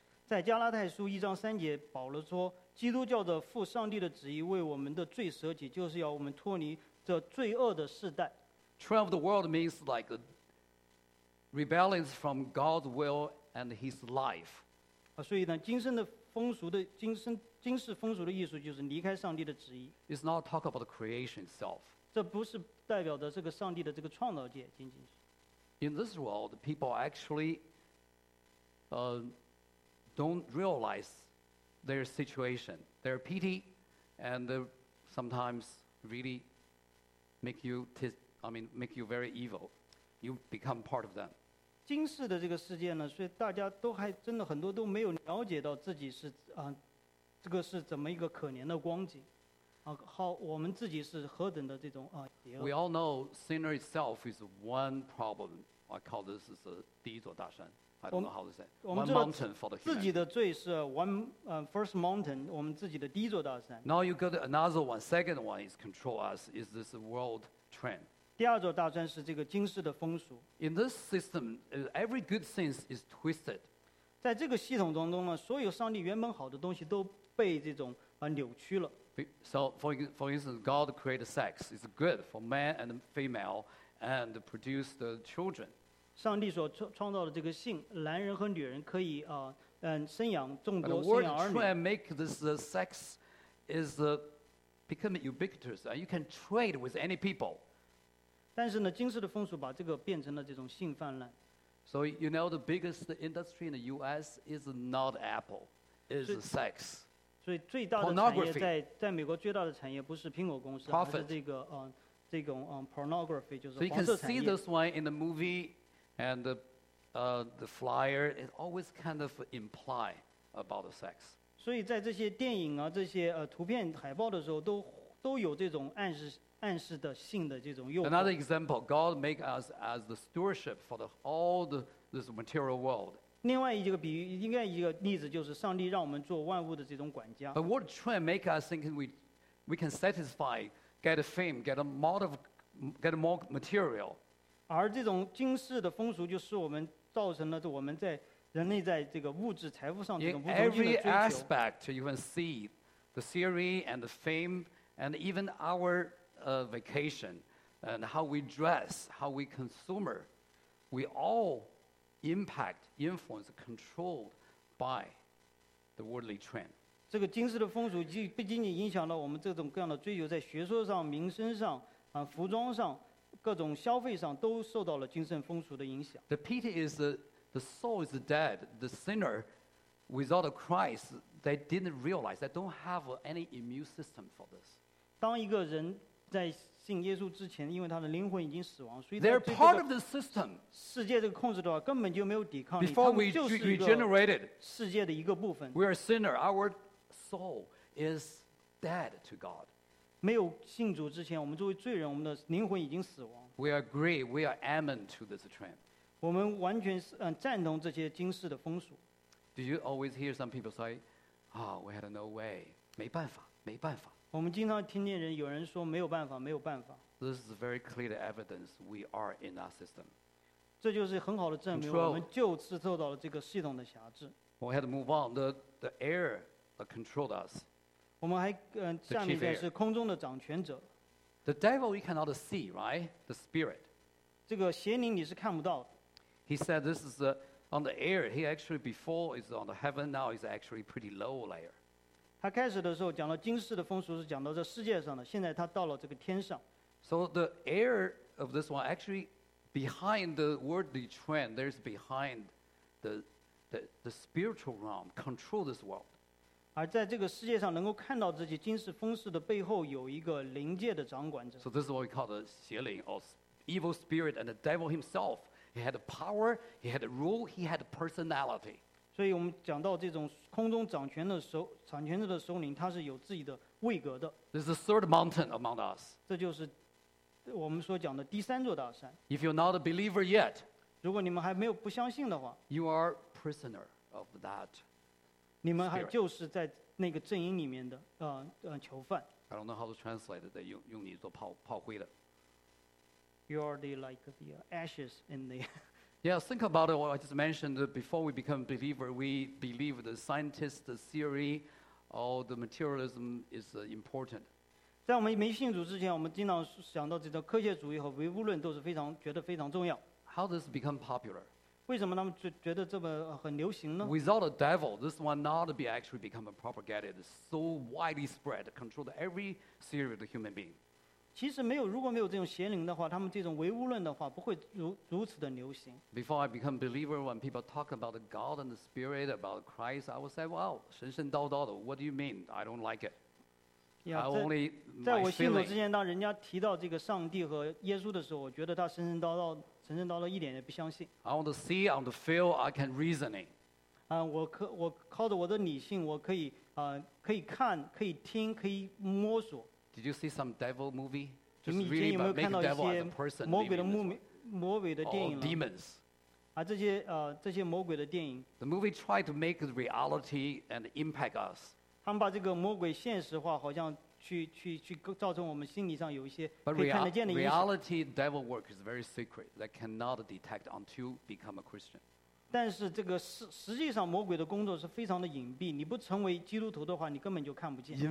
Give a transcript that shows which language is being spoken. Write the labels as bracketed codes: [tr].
[zh] 在加拉太书一章三节，保罗说，基督教的父上帝的旨意为我们的罪舍己，就是要我们脱离这罪恶的世代。 [en] Trial of the world means like rebellion from God's will and His life. [zh] 所以呢，今生的风俗的今世风俗的意思就是离开上帝的旨意。 [en] It's not talk about the creation itself. [zh] 这不是代表的这个上帝的这个创造界，仅仅是。 [en] In this world, people actually don't realize their situation, their pity, and sometimes really make you very evil. You become part of them. [zh] 今世的这个世界呢，所以大家都还真的很多都没有了解到自己是这个是怎么一个可怜的光景啊，好，我们自己是何等的这种啊。 [en] We all know sinner itself is one problem. I call this is [zh] 第一座大山。 [en] I don't know how to say. One mountain for the human. [zh] 自己的罪是 [en] first mountain, [zh] 我们自己的第一座大山。 [en] Now you got another one. Second one is control us. Is this a world trend? [zh] 第二座大山是这个今世的风俗。 [en] In this system, every good thing is twisted. [zh] 在这个系统当中呢，所有上帝原本好的东西都被这种扭曲了。 [en] So for instance, God created sex. It's good for man and female and produce the children. [zh] 上帝所创造的这个性，男人和女人可以生养众多，生养儿女。 [en] But the world trend make this sex is become ubiquitous, and you can trade with any people. [zh] 但是呢，今世的风俗把这个变成了这种性泛滥。 [en] So you know the biggest industry in the U.S. is not Apple, is sex. [zh] 所以最大的产业在美国最大的产业不是苹果公司， [en] Profit. [zh] 而是这个这种pornography 就是黄色产业。 [en] So you can see this one in the movie, and the flyer is always kind of imply about the sex. [zh] 所以在这些电影啊、这些图片海报的时候，都有这种暗示的性的这种诱惑。 [en] Another example, God make us as the stewardship for this material world. [zh] 另外一个比喻，应该一个例子就是上帝让我们做万物的这种管家。 [en] But what trend make us thinking we can satisfy, get a fame, get more material? [zh] 而这种今世的风俗就是我们造成了我们在人类在这个物质财富上这种无穷尽的追求。 [en] In every aspect, you can see the theory and the fame, and even our vacation, and how we dress, how we consume, we all impact, influence, controlled by the worldly trend. [zh] 这个今世的风俗不仅仅影响到我们这种各样的追求，在学说上、民生上、服装上、各种消费上，都受到了今世风俗的影响。 [en] The pity is the soul is dead. The sinner, without Christ, they didn't realize. They don't have any immune system for this. [zh] 当一个人在信耶稣之前，因为他的灵魂已经死亡，所以 [en] 他 part of the system. [zh] 世界这个控制的话，根本就没有抵抗力。 [en] Before we regenerated, [zh] 世界的一个部分。 [en] We are sinner. Our soul is dead to God. [zh] 没有信主之前，我们作为罪人，我们的灵魂已经死亡。 [en] We agree. We are amen to this trend. [zh] 我们完全赞同这些今世的风俗。 [en] Do you always hear some people say, "Oh, we had no way. [zh] 没办法，没办法"？我们经常听见人有人说没有办法，没有办法。 [en] This is very clear evidence we are in our system. [zh] 这就是很好的证明，我们就是受到了这个系统的辖制。 [en] We had to move on. The air that controlled us. [zh] 我们还下面一个是空中的掌权者。 [en] The devil we cannot see, right? The spirit. [zh] 这个邪灵你是看不到的。 [en] He said this is on the air. He actually before is on the heaven. Now is actually pretty low layer. [zh] 他开始的时候讲到今世的风俗是讲到这世界上的，现在他到了这个天上。 [en] So the air of this one actually behind the worldly trend, there's behind the spiritual realm control this world. [zh] 而在这个世界上能够看到自己今世风俗的背后有一个灵界的掌管者。 [en] So this is what we call the 邪灵 or evil spirit, and the devil himself, he had power, he had rule, he had personality. [zh] 所以我们讲到这种空中掌权的首掌权者的首领，他是有自己的位格的。 [en] This is the third mountain among us. [zh] 这就是我们所讲的第三座大山。 [en] If you're not a believer yet, [zh] 如果你们还没有不相信的话 [en] ，you are prisoner of that. [zh] 你们还就是在那个阵营里面的囚犯。 [en] I don't know how to translate it. [zh] 用你做炮灰的。 [en] You are the like the ashes in the. Yeah, think about it, what I just mentioned. Before we become a believer, we believe the scientist theory, or the materialism is important. [zh] 在我们没信主之前，我们经常想到这个科学主义和唯物论都是非常觉得非常重要。 [en] How does it become popular? [zh] 为什么他们觉得这么很流行呢 [en] ？Without a devil, this one not be actually become a propagated so widely spread, controlled every sphere of the human being. [zh] 其实没有，如果没有这种邪灵的话，他们这种唯物论的话不会如此的流行。 [en] Before I become a believer, when people talk about God and the Spirit, about Christ, I would say, wow, [zh] 神神叨叨的 [en] what do you mean? I don't like it. Yeah, I only [zh] 在我信主之前，当人家提到这个上帝和耶稣的时候，我觉得他神神叨叨，神神叨叨一点也不相信。 [en] I want to see, I want to feel, I can reasoning. [zh] 我靠着我的理性，我可以看，可以听，可以摸索。 [en] Did you see some devil movie? Just really make the devil as a person. [zh] 魔鬼的目魔鬼的电影 [en] Or demons. [zh] 啊，这些魔鬼的电影。 [en] The movie tried to make reality and impact us. [zh] 他们把这个魔鬼现实化，好像去造成我们心理上有一些可以看得见的影响。 [en] Reality devil work is very secret that cannot detect until become a Christian. [zh] 但是这个实际上魔鬼的工作是非常的隐蔽。你不成为基督徒的话，你根本就看不见。